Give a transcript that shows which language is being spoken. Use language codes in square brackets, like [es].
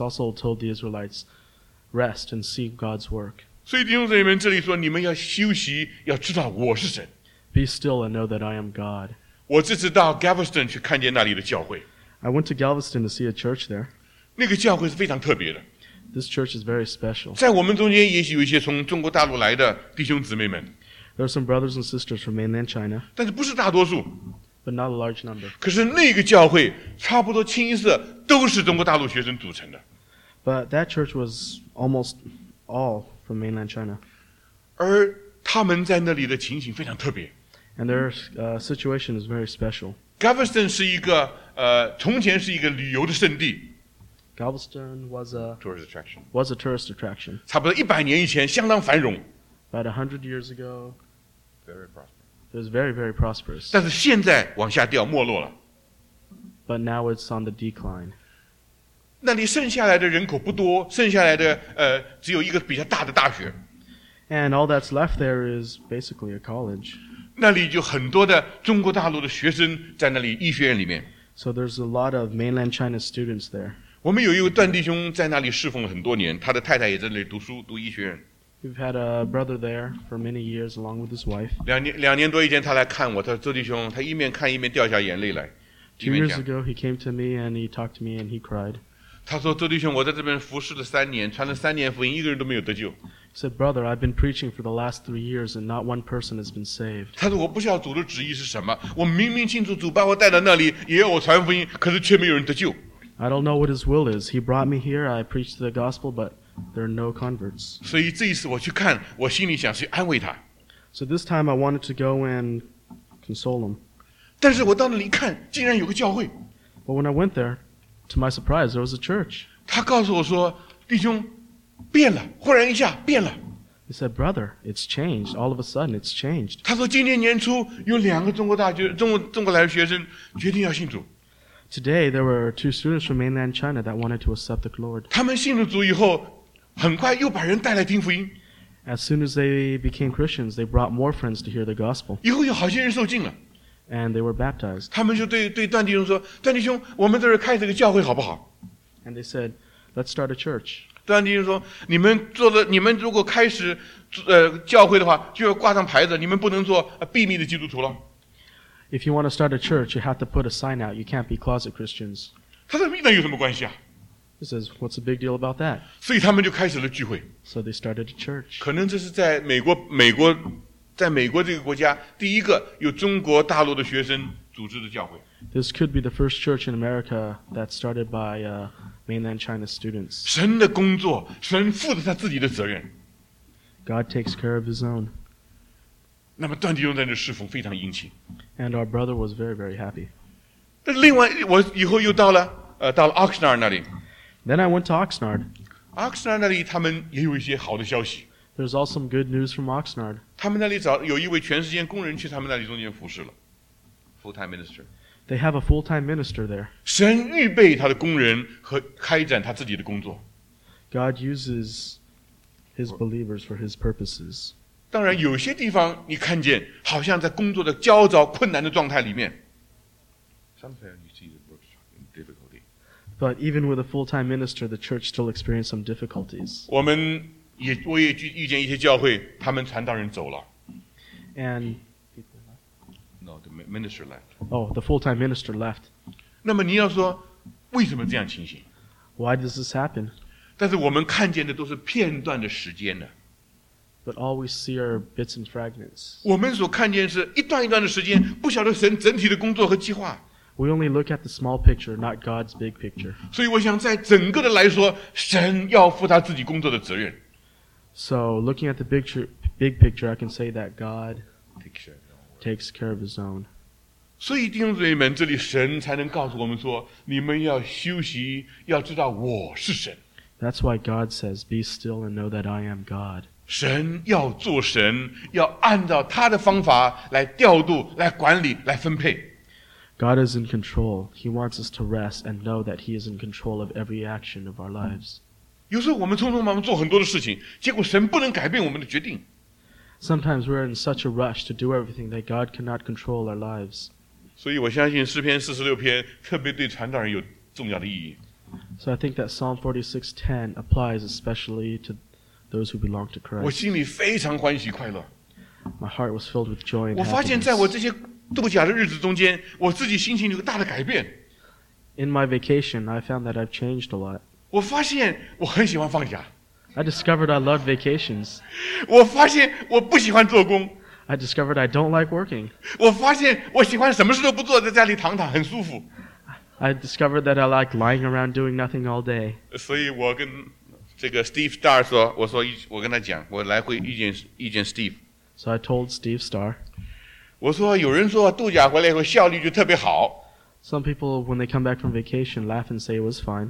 [en] also told the Israelites, "Rest and see God's work." [zh] 所以弟兄姊妹们，这里说你们要休息，要知道我是神。 [en] Be still and know that I am God. [zh] 我这次到 Galveston 去看见那里的教会。 [en] I went to Galveston to see a church there. [zh] 那个教会是非常特别的。 [en] This church is very special. [zh] 在我们中间，也许有一些从中国大陆来的弟兄姊妹们。 [en] There are some brothers and sisters from mainland China. [zh] 但是不是大多数。 [en] But not a large number. [zh] 可是那个教会差不多清一色都是中国大陆学生组成的。 [en] But that church was almost all from mainland China. [zh] 而他们在那里的情形非常特别。 [en] And their situation is very special. [zh] Galveston 是一个从前是一个旅游的圣地。 [en] Galveston was a tourist attraction. Was a tourist attraction. [zh] 差不多100年以前相当繁荣。 [en] About 100 years ago, very prosperous. It was very, very prosperous. [zh] 但是现在往下掉，没落了。 [en] But now it's on the decline. [zh] 那里剩下来的人口不多，剩下来的只有一个比较大的大学。 [en] And all that's left there is basically a college. [zh] 那里就很多的中国大陆的学生在那里医学院里面。 [en] So there's a lot of mainland China students there. [zh] 我们有一位段弟兄在那里侍奉了很多年，他的太太也在那里读书，读医学院。 [en] We've had a brother there for many years along with his wife. [zh] 两年多以前他来看我，他说周弟兄，他一面看一面掉下眼泪来。 [en] Two years ago he came to me and he talked to me and he cried. [zh] 他说周弟兄，我在这边服侍了三年，传了三年福音，一个人都没有得救。 [en] He said, brother, I've been preaching for the last 3 years and not one person has been saved. [zh] 他说我不知道主的旨意是什么，我明明清楚主把我带到那里，也要我传福音，可是却没有人得救。 [en] I don't know what his will is. He brought me here, I preached the gospel, but there are no converts. [zh] 所以这一次我去看，我心里想去安慰他。 [en] So this time I wanted to go and console him. [zh] 但是我到那里一看，竟然有个教会。 [en] But when I went there, to my surprise, there was a church. [zh] 他告诉我说，弟兄变了，忽然一下变了。 [en] He said, brother, it's changed. All of a sudden, it's changed. [zh] 他说今年年初有两个中国来的学生决定要信主。 [en] Today, there were two students from mainland China that wanted to accept the Lord. [zh] 他们信了主以后，很快又把人带来听福音。 [en] As soon as they became Christians, they brought more friends to hear the gospel. [zh] 以后有好些人受浸了。 [en] And they were baptized. [zh] 他们就对段弟兄说，段弟兄，我们在这儿开这个教会好不好？ [en] And they said, let's start a church. [zh] 段弟兄说你们如果开始教会的话就要挂上牌子，你们不能做秘密的基督徒了。 [en] If you want to start a church, you have to put a sign out. You can't be closet Christians. [zh] 他说那有什么关系啊？ [en] He says, what's the big deal about that? [zh] 所以他们就开始了聚会。 [en] So they started a church. [zh] 可能这是在美国在美国这个国家第一个有中国大陆的学生组织的教会。 [en] This could be the first church in America that started by mainland China students. [zh] 神的工作，神负着他自己的责任。 [en] God takes care of his own. [zh] 那么段弟兄在那侍奉非常殷勤。 [en] And our brother was very, very happy. [zh] 但另外，我以后又到了 Oxnard 那里。 [en] Then I went to Oxnard. [zh] Oxnard 那里他们也有一些好的消息。 [en] There's also some good news from Oxnard. [zh] 他们那里有一位全世界工人去他们那里中间服侍了。 [en] Full-time minister. They have a full-time minister there. [zh] 神预备他的工人和开展他自己的工作。 [en] God uses his believers for his purposes. [zh] 当然有些地方你看见好像在工作的焦躁困难的状态里面。 [en] Sometimes you see the work in difficulty. But even with a full-time minister, the church still experienced some difficulties. [zh] 我也遇见一些教会他们传道人走了。 [en] And... No, the minister left. Oh, the full-time minister left. [zh] 那么你要说为什么这样情形？ [en] Why does this happen? [zh] 但是我们看见的都是片段的时间的。 [en] But all we see are bits and fragments. [zh] 我们所看见是一段一段的时间，不晓得神整体的工作和计划。 [en] We only look at the small picture, not God's big picture. [zh] 所以我想在整个的来说，神要负他自己工作的责任。 [en] So looking at the big picture, I can say that God... Picture. Takes care of his own. [zh] 所以弟兄姊妹们，这里神才能告诉我们说，你们要休息，要知道我是神。 [en] That's why God says, "Be still and know that I am God." [zh] 神要做神，要按照他的方法来调度、来管理、来分配。 [en] God is in control. He wants us to rest and know that He is in control of every action of our lives. [zh] 有时候我们匆匆忙忙做很多的事情，结果神不能改变我们的决定。 [en] Sometimes we're in such a rush to do everything that God cannot control our lives. [zh] 所以我相信诗篇46篇特别对传道人有重要的意义。 [en] So I think that Psalm 46:10 applies especially to those who belong to Christ. [zh] 我心里非常欢喜快乐。 [en] My heart was filled with joy and happiness. [zh] 我发现在我这些度假的日子中间，我自己心情有个大的改变。 [en] In my vacation, I found that I've changed a lot. [zh] 我发现我很喜欢放假。 [en] I discovered I love vacations. [zh] 我发现我不喜欢做工。 [en] I discovered I don't like working. [zh] 我发现我喜欢什么事都不做，在家里躺躺，很舒服。 [en] I discovered that I like lying around doing nothing all day. [zh] 所以我跟这个 Steve Starr 说，我跟他讲，我来回遇见 Steve. [en] So I told Steve Starr. [zh] 我说有人说度假回来以后效率就特别好。 [en] Some people, when they come back from vacation, laugh and say it was fine.